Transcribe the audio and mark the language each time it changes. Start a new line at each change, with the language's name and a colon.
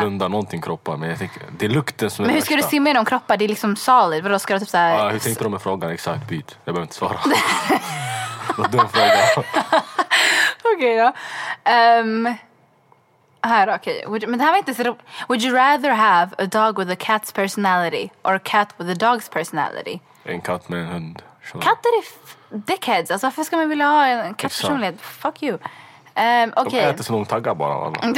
Swedish: Blunda någonting kroppar, men jag tänker, det är lukten som är men hur ska värsta. Du simma igenom kroppar? Det är liksom solid. Vadå, ska du typ såhär... Ja, hur tänkte du med frågan? Exakt, byt. Jag behöver inte svara. Vad dum fråga. Okej, då. Här, okay. Men det här var inte så roligt.
English: Would you rather have a dog with a cat's personality or a cat with a dog's personality?
Swedish: En katt med en hund. Katter är dickheads. Alltså, varför ska man vilja ha en kattpersonlighet?
English: Fuck you. Okay.
Swedish: De äter så långt taggar bara.